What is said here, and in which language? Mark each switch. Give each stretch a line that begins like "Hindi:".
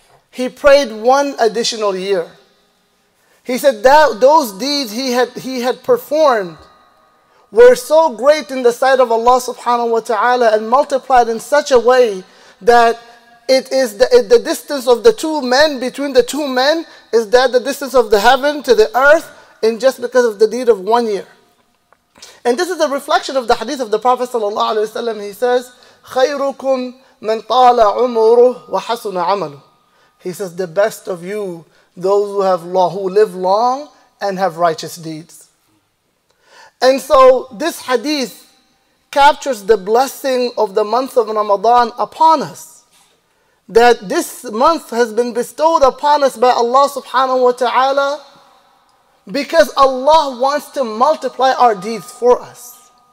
English: He prayed one additional year. He said that those deeds he had performed were so great in the sight of Allah subhanahu wa ta'ala and multiplied in such a way that it is the distance of the two men, between the two men, is that the distance of the heaven to the earth, in just because of the deed of 1 year. And this is a reflection of the hadith of the Prophet sallallahu alaihi wasallam. He says,
Arabic: "خيركم من طال عمره وحسن عمله."
English: He says, "The best of you, those who live long and have righteous deeds." And so this hadith captures the blessing of the month of Ramadan upon us. That this month has been bestowed upon us by Allah subhanahu wa ta'ala because Allah wants to multiply our deeds for us.